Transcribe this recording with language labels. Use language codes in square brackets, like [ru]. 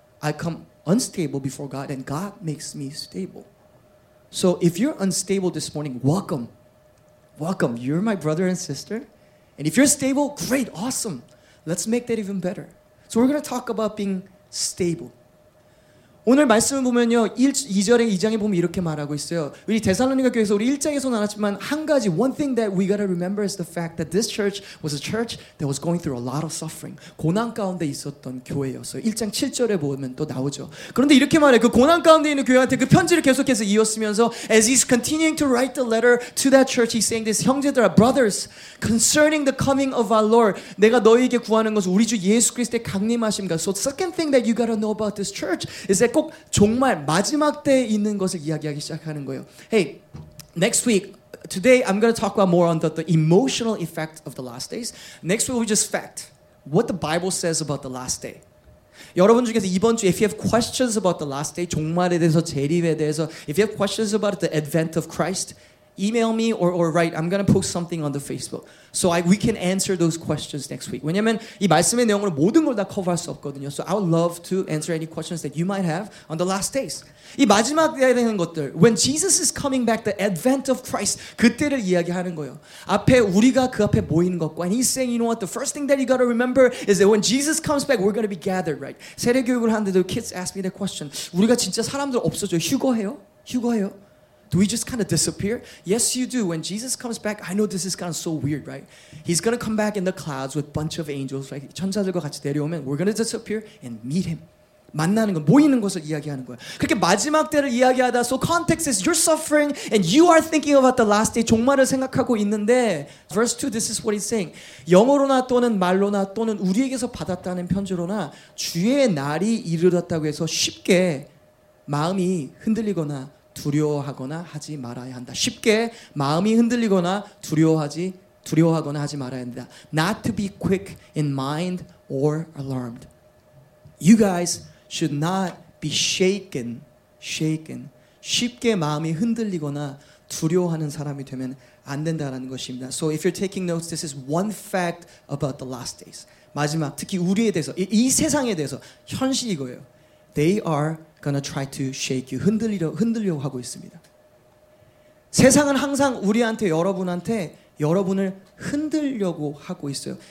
[en] I come unstable before God, and God makes me stable. So if you're unstable this morning, welcome. Welcome. You're my brother and sister. And if you're stable, great, awesome. Let's make that even better. So we're going to talk about being stable. [ko] 오늘 말씀을 보면요, 2절에 2장에 보면 이렇게 말하고 있어요. 우리 데살로니가 교회에서 우리 1장에서 나눴지만 한 가지, [en] one thing that we gotta remember is the fact that this church was a church that was going through a lot of suffering. [ko] 고난 가운데 있었던 교회였어요. 1장 7절에 보면 또 나오죠. 그런데 이렇게 말해요. 그 고난 가운데 있는 교회한테 그 편지를 계속해서 이었으면서 [en] as he's continuing to write the letter to that church, he's saying this, [ko] 형제들아, [en] brothers, concerning the coming of our Lord, [ko] 내가 너희에게 구하는 것은 우리 주 예수 그리스도의 강림하심과 [en] so second thing that you gotta know about this church is that [ko] 꼭 종말 마지막 때에 있는 것을 이야기하기 시작하는 거예요. [en] Hey, next week, today I'm going to talk about more on the emotional effect of the last days. Next week we just fact what the Bible says about the last day. [ko] 여러분 중에서 이번 주 [en] if you have questions about the last day, [ko] 종말에 대해서 재림에 대해서 [en] if you have questions about the advent of Christ, email me or write. I'm going to post something on the Facebook. So we can answer those questions next week. [ko] 왜냐면 이 말씀의 내용으로 모든 걸 다 커버할 수 없거든요. [en] So I would love to answer any questions that you might have on the last days. [ko] 이 마지막에 대한 것들, [en] when Jesus is coming back, the advent of Christ, [ko] 그때를 이야기하는 거예요. 앞에 우리가 그 앞에 모이는 것과, [en] and he's saying, you know what, the first thing that you got to remember is that when Jesus comes back, we're going to be gathered, right? [ko] 세례교육을 하는데도 [en] kids ask me that question. [ko] 우리가 진짜 사람들 없어져요? 휴거해요? 휴거해요? [en] Do we just kind of disappear? Yes, you do. When Jesus comes back, I know this is kind of so weird, right? He's going to come back in the clouds with a bunch of angels, right? [ko] 천사들과 같이 내려오면 [en] we're going to disappear and meet him. [ko] 만나는 건 모이는 것을 이야기하는 거야. 그렇게 마지막 때를 이야기하다. [en] So context is you're suffering and you are thinking about the last day. [ko] 종말을 생각하고 있는데 [en] verse 2, this is what he's saying. [ko] 영어로나 또는 말로나 또는 우리에게서 받았다는 편지로나 주의 날이 이르렀다고 해서 쉽게 마음이 흔들리거나 두려워하거나 하지 말아야 한다. 쉽게 마음이 흔들리거나 두려워하거나 하지 말아야 한다. [en] Not to be quick in mind or alarmed. You guys should not be shaken. [ko] 쉽게 마음이 흔들리거나 두려워하는 사람이 되면 안 된다라는 것입니다. [en] So if you're taking notes, this is one fact about the last days. [ko] 마지막, 특히 우리에 대해서, 이 세상에 대해서 현실 이거예요. [en] They are gonna try to shake you. [ko] 흔들려고 하고 있습니다. 세상은 항상 우리한테, 여러분한테, 여러분을 흔들려고 하고 있어요.